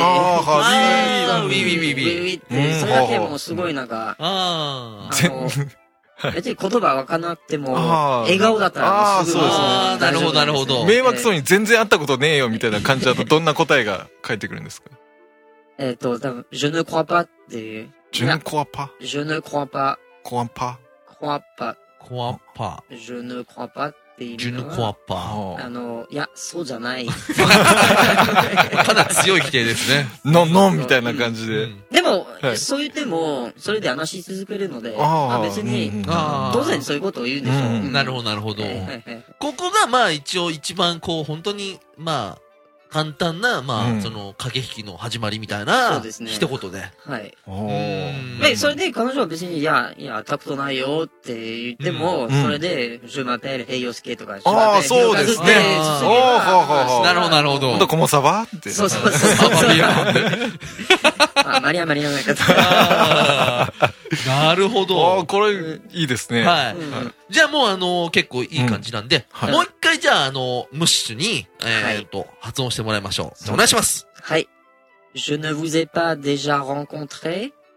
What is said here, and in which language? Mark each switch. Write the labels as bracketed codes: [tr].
[ja] ああ、はじめに。ウィウィウィウィウィって、それだけもすごいなんか、あの、別に言葉わかなくても、笑顔だったらすごい。ああ、そうそう。なるほど、なるほど。迷惑そうに全然会ったことねえよみたいな感じだと、どんな答えが返ってくるんですか？多分、 je ne crois pas っていう。 [fr] je ne crois pas。 je ne crois pas。 crois pas。 crois pas。 crois pas. [ja] Je ne crois pas って意味 [fr] は。Je ne crois pas. [ja] あの、いや、そうじゃない。かなり強い否定ですね。のんのんみたいな感じで。うん、でも、はい、そう言っても、それで話し続けるので、あ、まあ、別に、うん、あ、当然そういうことを言うんでしょう。うんうん、なるほど、なるほど。ここが、まあ一応一番こう、本当に、まあ、簡単な、まあ、うん、その、駆け引きの始まりみたいな、ね、一言で。はい。で、それで彼女は別に、いや、会ったことないよって言っても、うん、それで、 je m'appelle 平洋介とか、ああ、そうですね。そうそうそう。なるほど、なるほど。ほんと、コモサバって。そうそうそう。サバビアンで。あまりあまりやないかと。なるほど。ああ、これ、いいですね。はい。じゃあもう、結構いい感じなんで、うん、はい、もう一回、じゃあ、ムッシュに、発音してもらいましょう。じゃあ、お願いします。はい。 [fr] Je ne vous ai pas déjà rencontré?